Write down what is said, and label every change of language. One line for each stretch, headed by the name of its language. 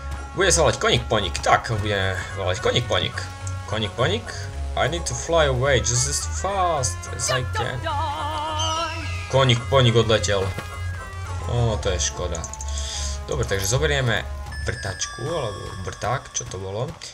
Slovak: Bude sa volať koník-poník, tak budeme volať koník-poník.
English: Koník-poník, I need to fly away just as fast as I can.
Slovak: Koník-poník odletel. Ó, to je škoda. Dobre, takže zoberieme vrtačku, alebo vrták, čo to bolo.